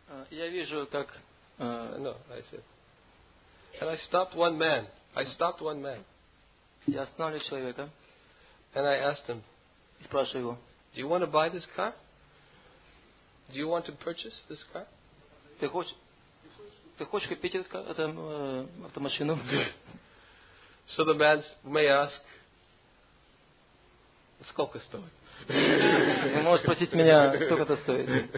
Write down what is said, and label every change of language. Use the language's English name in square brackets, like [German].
[Russian] Я вижу, как [English] And I stopped one man. I stopped one man. [Russian] Я остановил человека. [English] And I asked him. [Russian] И спрашиваю его. [English] Do you want to buy this car? Do you want to purchase this car? [Russian] Ты хочешь купить эту автомашину? [English] So the man may ask, [Russian] сколько стоит? Вы можете спросить меня, сколько это стоит?